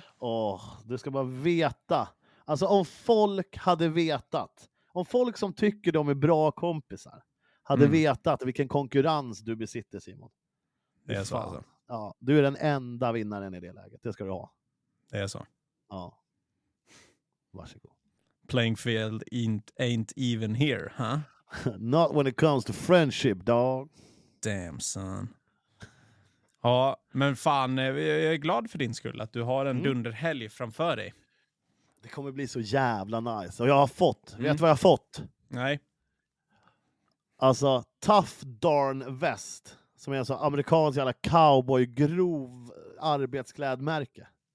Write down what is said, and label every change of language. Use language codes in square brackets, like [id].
[sv] Åh, du ska bara veta. Alltså om folk hade vetat. Om folk som tycker de är bra kompisar hade vetat vilken konkurrens du besitter, Simon. Det är så alltså. Ja, du är den enda vinnaren i det läget. Det ska du ha. Det är så. Ja. Varsågod. [en] Playing field ain't even here, huh? Not when it comes to friendship, dog. Damn, son. [sv] Ja, men fan, jag är glad för din skull att du har en dunderhelg framför dig. Det kommer bli så jävla nice. Och jag har fått. Vet du vad jag har fått? Nej. Alltså, Tough Darn Vest. Som är en sån amerikansk jävla cowboy grov arbetsklädmärke.